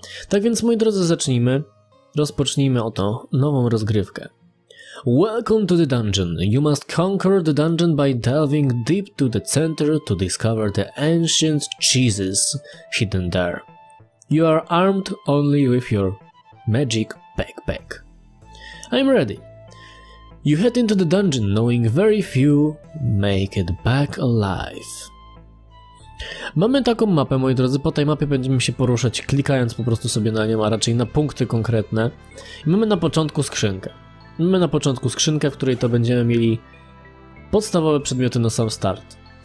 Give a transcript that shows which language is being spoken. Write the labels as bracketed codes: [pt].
[pl] Tak więc, moi drodzy, zacznijmy. Rozpocznijmy oto nową rozgrywkę. [en] Welcome to the dungeon. You must conquer the dungeon by delving deep to the center to discover the ancient cheeses hidden there. You are armed only with your magic backpack. I'm ready. You head into the dungeon knowing very few make it back alive. [pl] Mamy taką mapę, moi drodzy, po tej mapie będziemy się poruszać klikając po prostu sobie na nią, a raczej na punkty konkretne. I mamy na początku skrzynkę. Mamy na początku skrzynkę, w której to będziemy mieli podstawowe przedmioty na sam start.